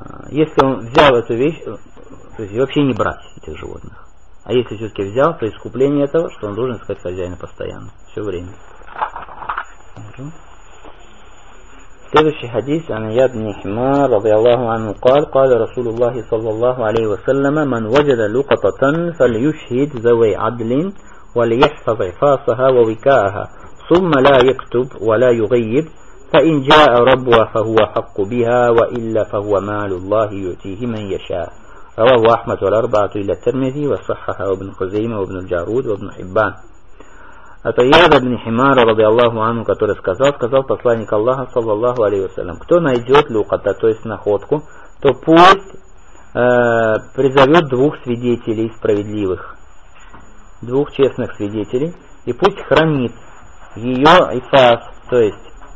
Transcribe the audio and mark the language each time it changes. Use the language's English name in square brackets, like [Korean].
[Russian] Если он взял эту вещь, то есть вообще не брать этих животных. А если все-таки взял, то искупление этого, что он должен искать хозяина постоянно, все время. Следующий хадис [Arabic] Анаяд бин Химар радиаллаху анху قال رسول الله صلى الله عليه وسلم من وجد لقطة فليشهد ذوي عدل وليحفظ عفاصها ووكاءها ثم لا يكتب ولا يغيب فإن جاء ربها فهو حق بها وإلا فهو مال الله يؤتيه من يشاء رواه أحمد والأربعة إلى الترمذي وصححه ابن خزيمة وابن الجارود وابن حبان. [Russian] Это Яда бин Химара, ради Аллаху Ану, который сказал посланник Аллаха, саллаллаху алейхи вассалям, кто найдет люхата, то есть находку, то пусть призовет двух свидетелей справедливых, двух честных свидетелей, и пусть хранит ее ифас, то есть